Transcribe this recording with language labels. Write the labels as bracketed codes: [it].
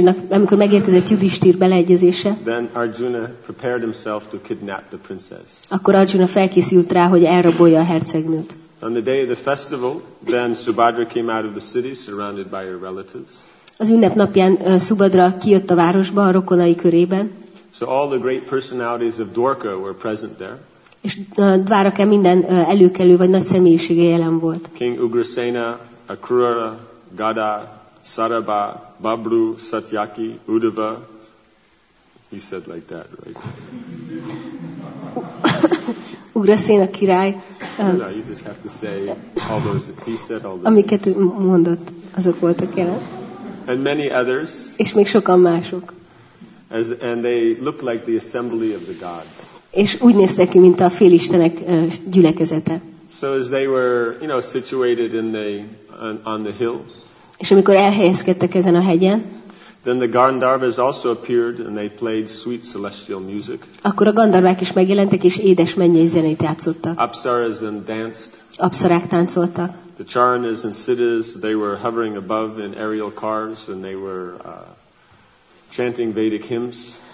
[hu] amikor megérkezett Yudhishthir beleegyezése, [en] then Arjuna prepared himself to kidnap the princess. [hu] Akkor Arjuna felkészült rá, hogy elrabolja a hercegnőt. [en] On the day of the festival, then Subhadra came out of the city, surrounded by her relatives. [hu] Az ünnepnapján Subhadra kijött a városba, a rokonai körében. [en] So all the great personalities of Dwarka were present there. [hu] És Dwarka minden előkelő vagy nagy személyisége jelen volt. [en] King Ugrasena, Akrura, Gada, Saraba, Babru, Satyaki, Uddhava. He said like that, right? [hu] Ugrasena király. [en] No, you just have to say all those. He said all those. [hu] Amiket mondott, azok voltak jelen. [en] And many others. [hu] És még sokan mások. [en] As the, and they look like the assembly of the gods. [hu] És úgy néztek ki, mint a félistenek gyülekezete. [en] So as they were, you know, situated in the on the hill. [hu] És amikor elhelyezkedtek ezen a hegyen. [en] Then the Gandharvas also appeared and they played sweet celestial music. [hu] Akkor a gandharvák is megjelentek és édes mennyei zenét játszottak. [en] Apsaras and danced. [hu] Apsarák táncoltak. [en] The charanas and siddhas, they were hovering above in aerial cars and they were chanting Vedic hymns.